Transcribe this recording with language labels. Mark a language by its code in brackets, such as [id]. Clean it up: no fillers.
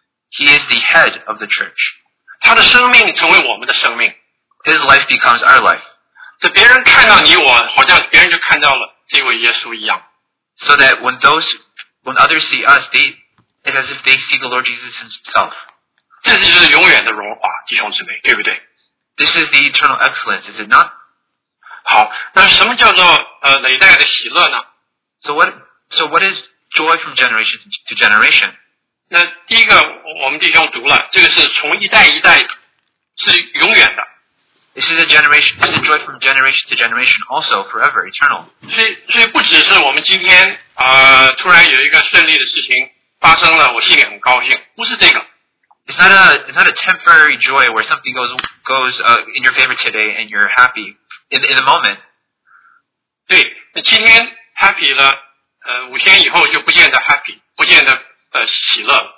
[en] He is the head of the church. [zh] 他的生命成为我们的生命。 [en] His life becomes our life. [zh] 这别人看到你我，好像别人就看到了这位耶稣一样。 [en] So that when others see us, it's as if they see the Lord Jesus himself. [zh] 这就是永远的荣华，弟兄姊妹，对不对？ [en] This is the eternal excellence, is it not? [zh] 好，那什么叫做累代的喜乐呢？ [en] So what is joy from generation to generation? [zh] 那第一个我们弟兄读了，这个是从一代一代，是永远的。 [en] This is joy from generation to generation, also forever, eternal. [zh] 所以不只是我们今天突然有一个顺利的事情发生了，我心里很高兴。不是这个。 [en] It's not a temporary joy where something goes in your favor today and you're happy in the moment. [zh] 对，今天 happy 了，五天以后就不见得 happy， 不见得喜乐。